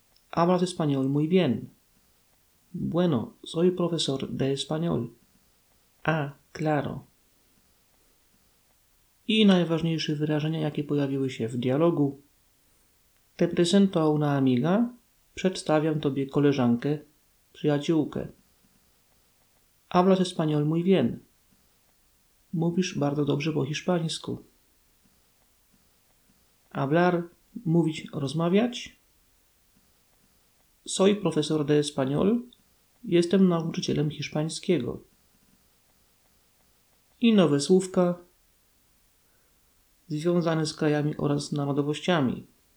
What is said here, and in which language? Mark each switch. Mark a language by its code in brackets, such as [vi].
[es] ¿Hablas español muy bien? Bueno, soy profesor de español. Ah, claro. [pl] Y najważniejsze wyrażenia, jakie pojawiły się w dialogu. [es] Te presento a una amiga. [pl] Przedstawiam tobie koleżankę, przyjaciółkę. [es] ¿Hablas español muy bien? [pl] Mówisz bardzo dobrze po hiszpańsku. Hablar, mówić, rozmawiać. [es] Soy profesor de español. [pl] Jestem nauczycielem hiszpańskiego. I nowe słówka związane z krajami oraz narodowościami.